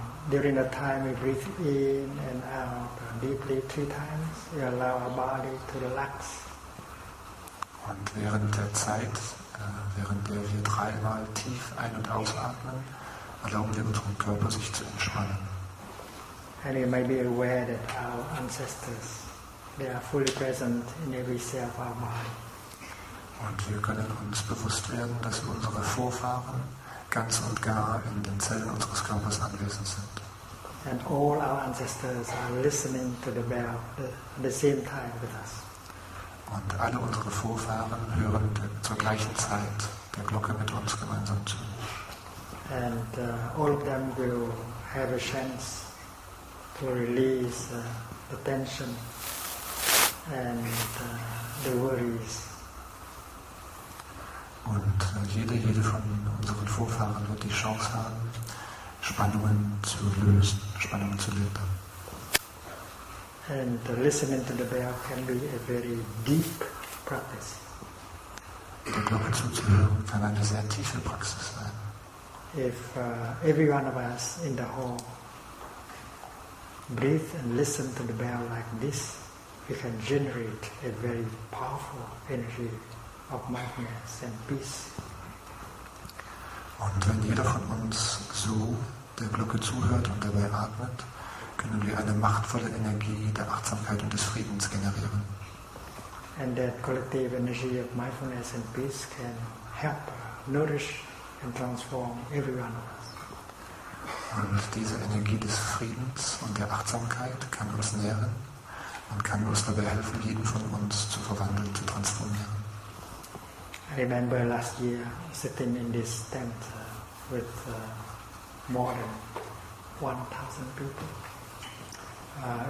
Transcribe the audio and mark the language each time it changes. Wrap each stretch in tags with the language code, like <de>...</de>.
<en>During the time we breathe in and out deeply 3 times, we allow our body to relax.</en> <de>Und während der Zeit, während der wir 3-mal tief ein- und ausatmen, erlauben wir unserem Körper, sich zu entspannen.</de> <en>And you may be aware that our ancestors, they are fully present in every cell of our body.</en> <de>Und wir können uns bewusst werden, dass unsere Vorfahren ganz und gar in den Zellen unseres Körpers anwesend sind.</de> <en>And all our ancestors are listening to the bell at the same time with us.</en> <de>Und alle unsere Vorfahren hören zur gleichen Zeit der Glocke mit uns gemeinsam zu.</de> <en>And all of them will have a chance to release the tension and the worries.</en> <de>Und jede von unseren Vorfahren wird die Chance haben, Spannungen zu lösen, Spannungen zu lindern.</de> <en>And listening to the bell can be a very deep practice.</en> <de>Die Glocke zuzuhören kann eine sehr tiefe Praxis sein.</de> <en>If every one of us in the hall breathe and listen to the bell like this, we can generate a very powerful energy of mindfulness and peace.</en> <de>Und wenn jeder von uns so der Glocke zuhört und dabei atmet, können wir eine machtvolle Energie der Achtsamkeit und des Friedens generieren.</de> <en>And that collective energy of mindfulness and peace can help nourish and transform everyone of us.</en> <de>Und diese Energie des Friedens und der Achtsamkeit kann uns nähren und kann uns dabei helfen, jeden von uns zu verwandeln, zu transformieren.</de> <en>I remember last year sitting in this tent with more than 1,000 people.</en>